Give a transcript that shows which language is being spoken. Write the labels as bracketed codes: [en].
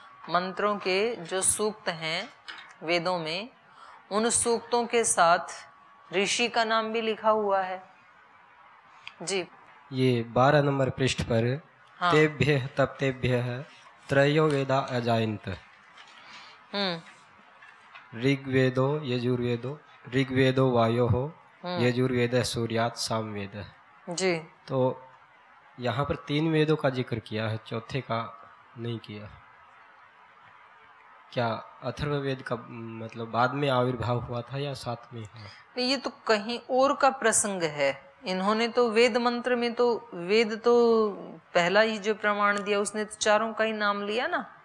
[hi] मंत्रों के जो सूक्त हैं वेदों में, उन सूक्तों के साथ ऋषि का नाम भी लिखा हुआ है। जी, ये 12 नंबर पृष्ठ पर [sa] तेभ्य तप्तेभ्य त्रयो वेदा अजायंत। ऋग्वेदो यजुर्वेदो, ऋग्वेदो वायोः, यजुर्वेदः सूर्यात् सामवेदः। जी, [hi] तो यहाँ पर तीन वेदों का जिक्र किया है, चौथे का नहीं किया। क्या अथर्ववेद का मतलब बाद में आविर्भाव हुआ था या साथ में है? ये तो कहीं और का प्रसंग है। इन्होंने तो वेद मंत्र में तो वेद तो पहला ही जो प्रमाण दिया उसने तो चारों का ही नाम लिया ना।